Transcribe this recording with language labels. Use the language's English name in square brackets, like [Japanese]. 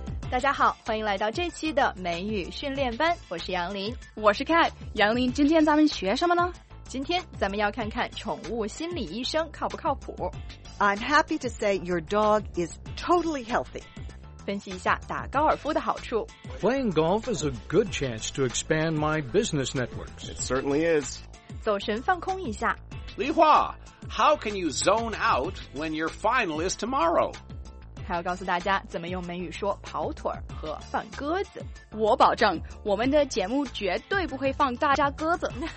[Chinese] 大家好，欢迎来到这期的美语训练班，我是杨林。我是 Cat。杨林，今天咱们学什么呢？今天咱们要看看宠物心理医生靠不靠谱。 [English] I'm happy to say your dog is totally healthy. [Chinese] 分析一下打高尔夫的好处。 [English] Playing golf is a good chance to expand my business networks. It certainly is. [Chinese] 走神放空一下。 [English] Li Hua, how can you zone out when your final is tomorrow? [Chinese] 还要告诉大家怎么用美语说跑腿和放鸽子。我保证我们的节目绝对不会放大家鸽子。